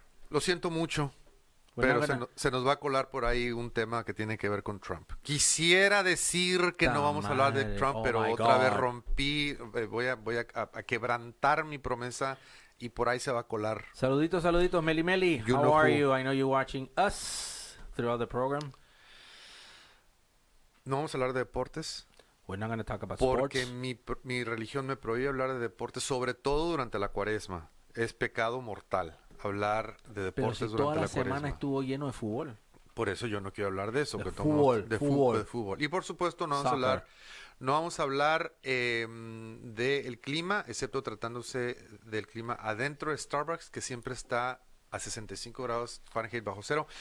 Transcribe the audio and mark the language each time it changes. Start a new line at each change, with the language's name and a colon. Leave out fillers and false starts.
Spanish: Lo siento mucho, pero se nos va a colar por ahí un tema que tiene que ver con Trump. Quisiera decir que no vamos a hablar de Trump, pero otra vez rompí, voy a quebrantar mi promesa y por ahí se va a colar. Saluditos, saluditos, Meli Meli.
English: How are you? I know you're watching us throughout the program.
Spanish: No vamos a hablar de deportes.
English: We're not going to talk about sports.
Spanish: Porque mi religión me prohíbe hablar de deportes, sobre todo durante la cuaresma. Es pecado mortal hablar de deportes pero si durante toda la cuaresma. Semana estuvo lleno de fútbol. Por eso yo no quiero hablar de eso. De fútbol. Y por supuesto no vamos
English: Soccer.
Spanish: A hablar, no vamos a hablar del clima, excepto tratándose del clima adentro de Starbucks, que siempre está a 65 grados Fahrenheit bajo cero.